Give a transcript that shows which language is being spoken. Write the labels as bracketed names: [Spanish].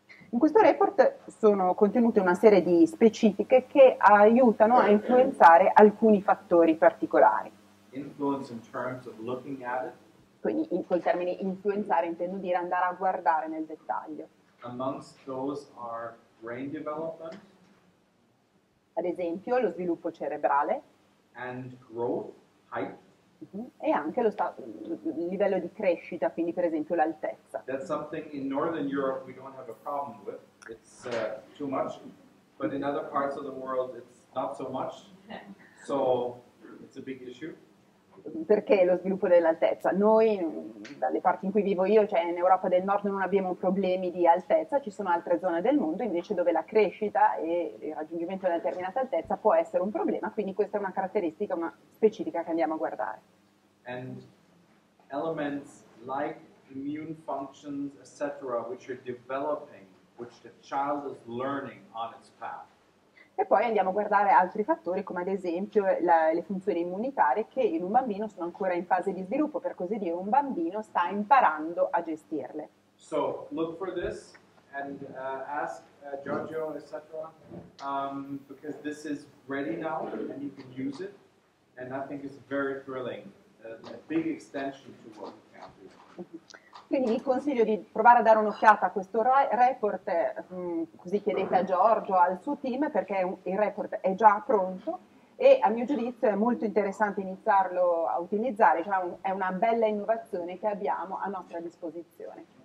[Italian] In questo report sono contenute una serie di specifiche che aiutano a influenzare alcuni fattori particolari. [English] Influence in terms of looking at it. [Italian] Quindi col termine influenzare intendo dire andare a guardare nel dettaglio. [English] Amongst those are brain development. [Italian] Ad esempio lo sviluppo cerebrale. [English] And growth, height. [Italian] E anche lo livello di crescita, quindi per esempio l'altezza. [English] That's something in Northern Europe we don't have a problem with. It's too much. But in other parts of the world it's not so much. So it's a big issue. [Italian] Perché lo sviluppo dell'altezza? Noi, dalle parti in cui vivo io, cioè in Europa del Nord, non abbiamo problemi di altezza. Ci sono altre zone del mondo invece dove la crescita e il raggiungimento di una determinata altezza può essere un problema. Quindi questa è una caratteristica, una specifica che andiamo a guardare. [English] And elements like immune functions, etc., which are developing, which the child is learning on its path. [Italian] E poi andiamo a guardare altri fattori, come ad esempio le funzioni immunitarie, che in un bambino sono ancora in fase di sviluppo, per così dire, un bambino sta imparando a gestirle. [English] So, look for this and ask Giorgio, etc., because this is ready now and you can use it, and I think it's very thrilling big extension to what we can do. [Italian] Quindi vi consiglio di provare a dare un'occhiata a questo report, così chiedete a Giorgio, al suo team, perché il report è già pronto e a mio giudizio è molto interessante iniziarlo a utilizzare, cioè è una bella innovazione che abbiamo a nostra disposizione.